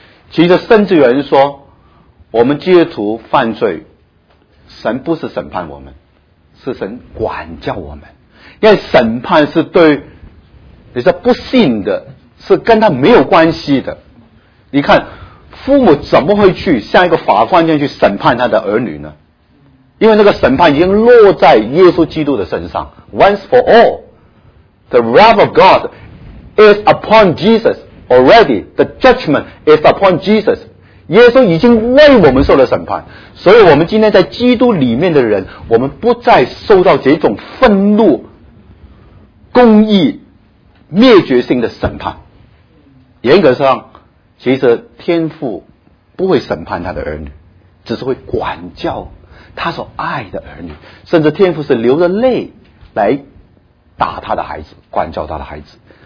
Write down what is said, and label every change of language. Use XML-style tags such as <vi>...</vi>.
<zh>其实甚至有人说我们基督徒犯罪，神不是审判我们，是神管教我们。因为审判是对你说不信的，是跟他没有关系的。你看父母怎么会去像一个法官这样去审判他的儿女呢？因为那个审判已经落在耶稣基督的身上。</zh> <en>Once for all the wrath of God is upon JesusAlready, the judgment is upon Jesus.</en> <zh>耶稣已经为我们受了审判，所以我们今天在基督里面的人，我们不再受到这种愤怒、公义、灭绝性的审判。严格上，其实天父不会审判他的儿女，只是会管教他所爱的儿女，甚至天父是流着泪来打他的孩子，管教他的孩子。</zh>